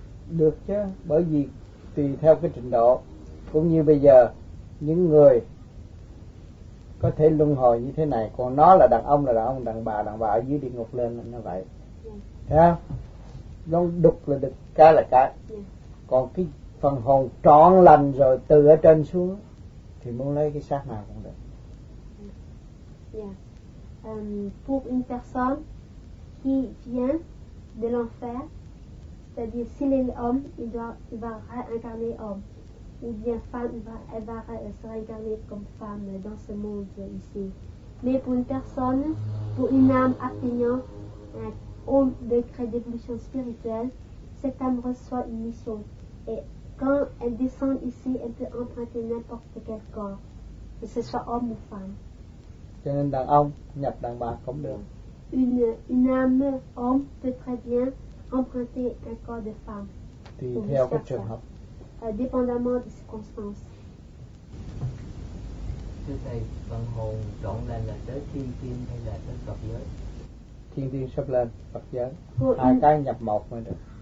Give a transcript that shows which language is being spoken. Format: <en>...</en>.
<vi>Được chứ, bởi vì tùy theo cái trình độ, cũng như bây giờ những người có thể luân hồi như thế này, còn nó là đàn ông, là đàn ông, đàn bà ở dưới địa ngục lên như vậy. Yeah. Thấy không? Nó đục là đục, cá là cá. Yeah. Còn cái phần hồn trọn lành rồi từ ở trên xuống thì muốn lấy cái xác nào cũng được. Yeah.</vi> <fr>Pour une personne qui vient de l'enfer, c'est-à-dire s'il est homme, il va réincarner homme. Ou bien femme, elle sera incarnée comme femme dans ce monde ici. Mais pour une personne, pour une âme atteignant homme décrète des missions spirituelles, cette âme reçoit une mission. Et quand elle descend ici, elle peut emprunter n'importe quel corps, que ce soit homme ou femme.</fr> <vi>Cho nên đàn ông nhập đàn bà cũng được.</vi> <fr>Une âme homme peut très bien emprunter un corps de femme.</fr> <vi>Tùy theo cái trường hợp.</vi> <fr>Dépendamment des circonstances.</fr> <vi>Thưa thầy, phần hồn trọn lành là tới thiên tiên hay là tới Phật giới? Thiên tiên sắp lên Phật giới. Hai cái nhập một mới được.</vi>